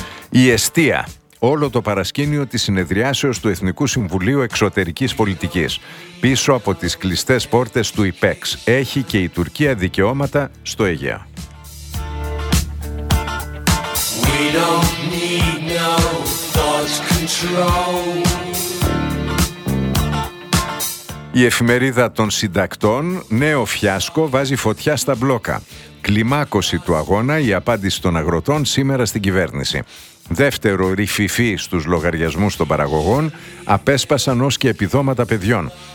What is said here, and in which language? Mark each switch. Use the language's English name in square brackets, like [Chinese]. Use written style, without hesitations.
[Greek] Η εστία. Όλο το παρασκήνιο της συνεδριάσεως του Εθνικού Συμβουλίου Εξωτερικής Πολιτικής. Πίσω από τις κλειστές πόρτες του ΙΠΕΞ. Έχει και η Τουρκία δικαιώματα στο Αιγαίο. [English] We don't need no thought control. [Greek] Η εφημερίδα των συντακτών, νέο φιάσκο, βάζει φωτιά στα μπλόκα. Κλιμάκωση του αγώνα, η απάντηση των αγροτών σήμερα στην κυβέρνηση. Δεύτερο ρυφηφή στους λογαριασμούς των παραγωγών, απέσπασαν ως και επιδόματα παιδιών.